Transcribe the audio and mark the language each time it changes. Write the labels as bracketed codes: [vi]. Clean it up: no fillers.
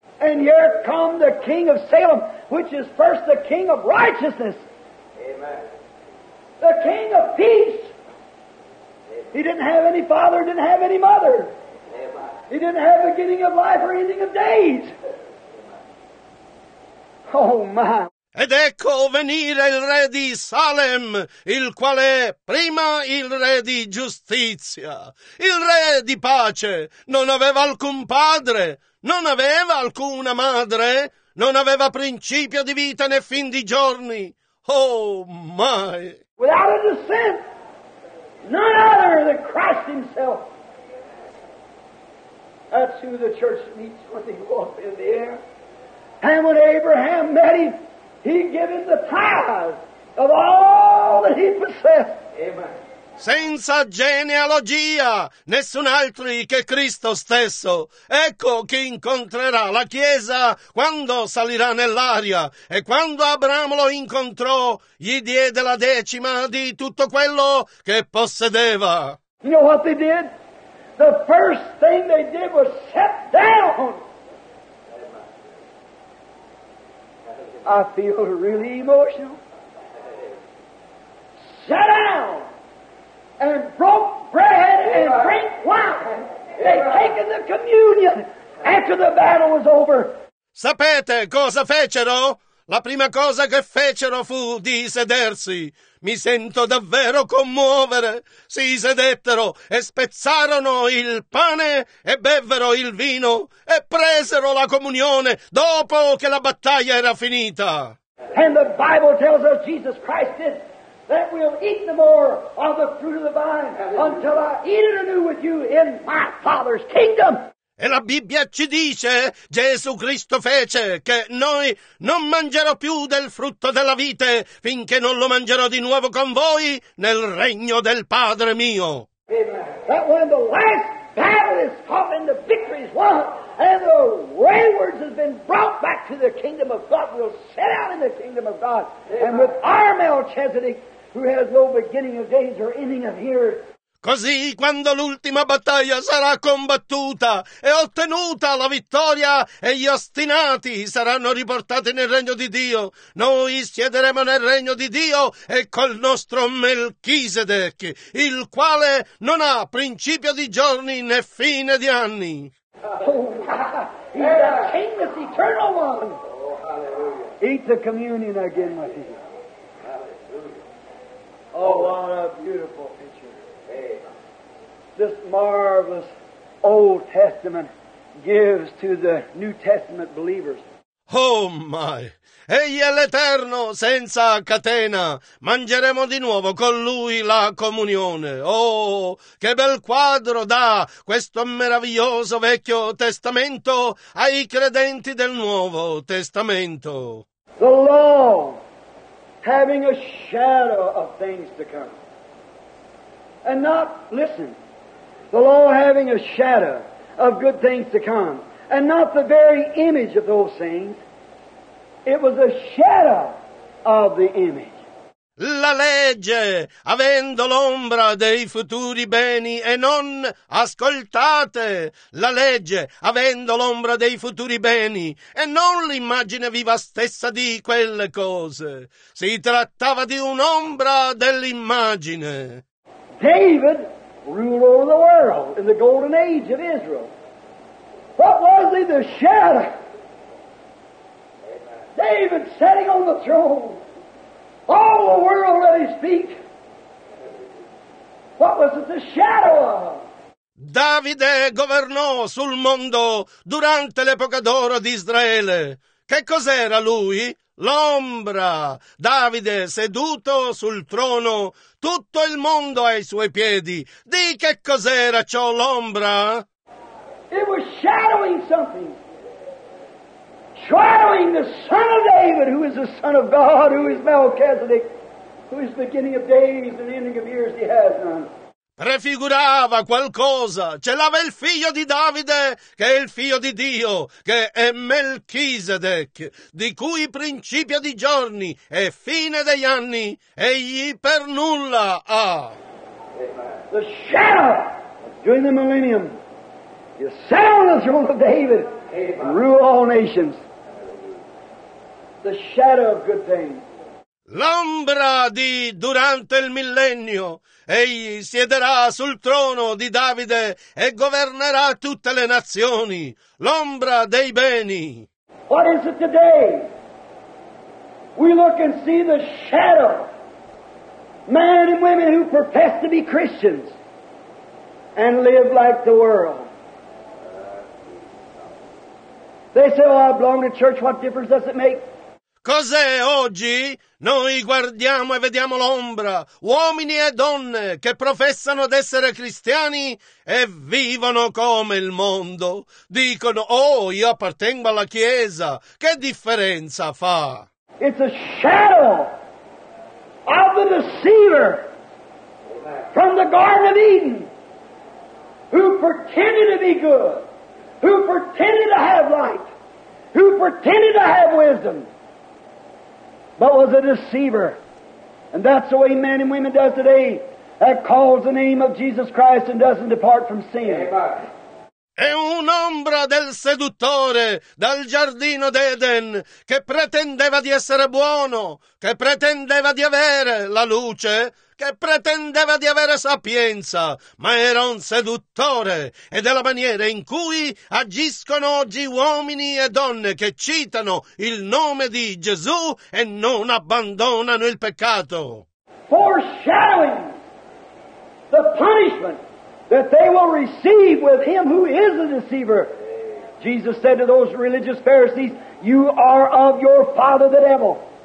[en] And here come the king of Salem, which is first the king of righteousness. Amen. The king of peace. He didn't have any father, didn't have any mother. He didn't have beginning of life or ending of days. Oh my. [it] Ed ecco venire il re di Salem, il quale è prima il re di giustizia, il re di pace. Non aveva alcun padre, non aveva alcuna madre, non aveva principio di vita né fin di giorni. [en] Oh my. Without a descent, none other than Christ himself. That's who the church meets when they go up in the air. And when Abraham met him, he gave him the tithe of all that he possessed. Amen. [it] senza genealogia, nessun altro che Cristo stesso. Ecco chi incontrerà la Chiesa quando salirà nell'aria. E quando Abramo lo incontrò, gli diede la decima di tutto quello che possedeva. [en] You know what they did? The first thing they did was sit down. I feel really emotional. Sit down and broke bread and drink wine. They've taken the communion after the battle was over. [it] Sapete cosa fecero? La prima cosa che fecero fu di sedersi. Mi sento davvero commuovere. Si sedettero e spezzarono il pane e bevvero il vino e presero la comunione dopo che la battaglia era finita. [en] And the Bible tells us Jesus Christ did that we'll eat no more of the fruit of the vine until I eat it anew with you in my Father's kingdom. [it] E la Bibbia ci dice, Gesù Cristo fece, che noi non mangerò più del frutto della vite finché non lo mangerò di nuovo con voi nel regno del Padre mio. [en] That when the last battle is fought and the victory is won and the waywards has been brought back to the kingdom of God, we'll set out in the kingdom of God. Amen. And with our Melchizedek, who has no beginning of days or ending of years. [it] Così, quando l'ultima battaglia sarà combattuta e ottenuta la vittoria e gli ostinati saranno riportati nel regno di Dio, noi siederemo nel regno di Dio e col nostro Melchisedec, il quale non ha principio di giorni né fine di anni. [en] Oh, he's the king of the eternal one. Oh, hallelujah. Eat the communion again, my dear. Hallelujah. Oh, what a beautiful picture. This marvelous Old Testament gives to the New Testament believers. Oh my! [it] Egli è l'Eterno senza catena. Mangeremo di nuovo con Lui la comunione. Oh, che bel quadro dà questo meraviglioso Vecchio Testamento ai credenti del Nuovo Testamento. [en] The law having a shadow of things to come. And not, listen, the law having a shadow of good things to come, and not the very image of those things. It was a shadow of the image. [it] La legge, avendo l'ombra dei futuri beni, e non, ascoltate, la legge, avendo l'ombra dei futuri beni, e non l'immagine viva stessa di quelle cose. Si trattava di un'ombra dell'immagine. [en] David ruled over the world in the golden age of Israel. What was he? The shadow. David sitting on the throne. All the world at his feet. What was it? The shadow of. [it] Davide governò sul mondo durante l'epoca d'oro di Israele. Che cos'era lui? L'ombra, Davide seduto sul trono, tutto il mondo ai suoi piedi. Di che cos'era ciò l'ombra? [en] It was shadowing something. Shadowing the son of David, who is the son of God, who is Melchizedek, who is the beginning of days and the ending of years, he has none. [it] Prefigurava qualcosa, celava il figlio di Davide, che è il figlio di Dio, che è Melchisedec, di cui principio di giorni e fine degli anni egli per nulla ha. [en] The shadow during the millennium, the sound of the throne of David, rule all nations. The shadow of good things. [it] L'ombra di durante il millennio. Egli siederà sul trono di Davide e governerà tutte le nazioni. L'ombra dei beni. [en] What is it today? We look and see the shadow. Men and women who profess to be Christians and live like the world. They say, oh, I belong to church, what difference does it make? [it] Cos'è oggi? Noi guardiamo e vediamo l'ombra, uomini e donne che professano ad essere cristiani e vivono come il mondo. Dicono, oh, io appartengo alla Chiesa. Che differenza fa? [en] It's a shadow of the deceiver. from the Garden of Eden, who pretended to be good, who pretended to have light, who pretended to have wisdom, but was a deceiver. And that's the way men and women does today, that calls the name of Jesus Christ and doesn't depart from sin. Amen. [it] È un'ombra del seduttore dal giardino d'Eden che pretendeva di essere buono, che pretendeva di avere la luce, che pretendeva di avere sapienza, ma era un seduttore. E della maniera in cui agiscono oggi uomini e donne che citano il nome di Gesù e non abbandonano il peccato. [en] Foreshadowing the punishment that they will receive with him who is a deceiver. Jesus said to those religious Pharisees, you are of your father the devil.